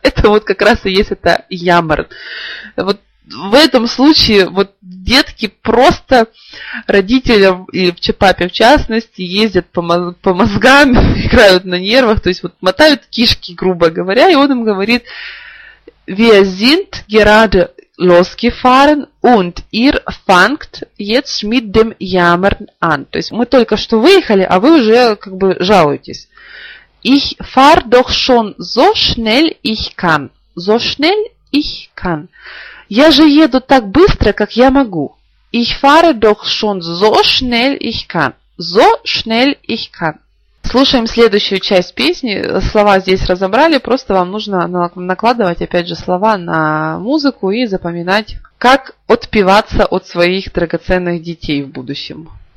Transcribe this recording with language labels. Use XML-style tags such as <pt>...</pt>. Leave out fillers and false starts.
<ru>Это вот как раз и есть это ямр. Вот в этом случае вот детки просто родителям, и в Чапапе в частности, ездят по мозгам, играют на нервах, то есть вот мотают кишки, грубо говоря, и он им говорит</ru> <de>«Wir sind gerade losgefahren und ihr fangt jetzt mit dem Jammern an».</de> <ru>То есть мы только что выехали, а вы уже как бы жалуетесь.</ru> <de>Ich fahr doch schon so schnell ich kann. So schnell ich kann.</de> <ru>Я же еду так быстро, как я могу.</ru> <de>Ich fahr doch schon so schnell ich kann. So schnell ich kann.</de> <ru>Слушаем следующую часть песни. Слова здесь разобрали, просто вам нужно накладывать, опять же, слова на музыку и запоминать, как отпеваться от своих драгоценных детей в будущем.</ru>